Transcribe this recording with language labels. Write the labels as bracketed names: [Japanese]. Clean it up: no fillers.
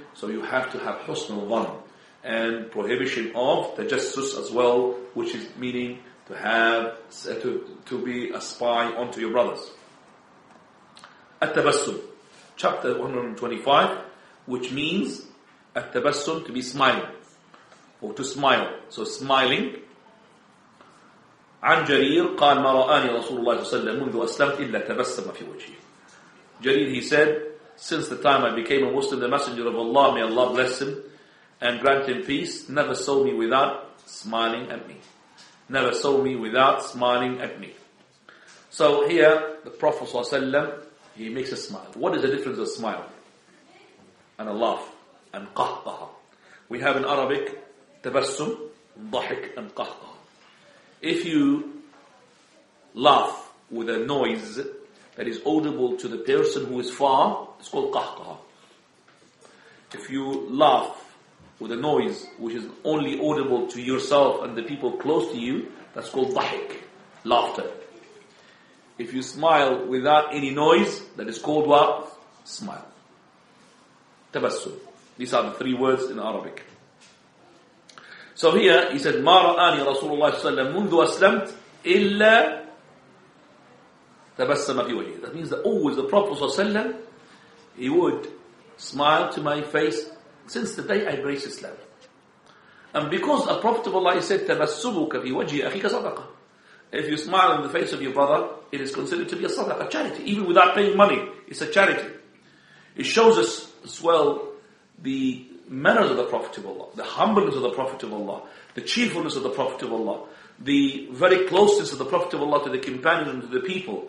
[English] So you have to have husnul dhan and prohibition of tajassus as well, which is meaning to have to be a spy onto your brothers. At-tabassum, chapter 125, which means At-tabassum, to be smiling, or to smile. So smiling. [Arabic] عن جرير قال ما رآني رسول الله صلى الله عليه وسلم منذ أسلمت إلا تبسم في وجهي. [English] Jarir, he said, since the time I became a Muslim, the Messenger of Allah, may Allah bless him and grant him peace, never saw me without smiling at me. Never saw me without smiling at me. So here, the Prophet [Arabic] صلى الله عليه وسلم, [English] he makes a smile. What is the difference of smile and a laugh? And qahqaha. We have in Arabic tabassum, [Arabic] ضحك أم قهقه. [English] If you laugh with a noise that is audible to the person who is far, it's called قهقه. If you laugh with a noise which is only audible to yourself and the people close to you, that's called ضحك, laughter. If you smile without any noise, that is called what? Smile. تبسم. These are the three words in Arabic. [Arabic] So here he said, ما رآني رسول الله صلى الله عليه وسلم منذ أسلمت إلا تبسم في وجهي. [English] That means that always the Prophet [Arabic] صلى الله عليه وسلم, [English] he would smile to my face since the day I embraced Islam. And because the Prophet of Allah said, [Arabic] تبسمك في وجه أخيك صدقة. [English] If you smile in the face of your brother, it is considered to be a sadaqah, a charity. Even without paying money, it's a charity. It shows us as well the manners of the Prophet of Allah, the humbleness of the Prophet of Allah, the cheerfulness of the Prophet of Allah, the very closeness of the Prophet of Allah to the companions and to the people.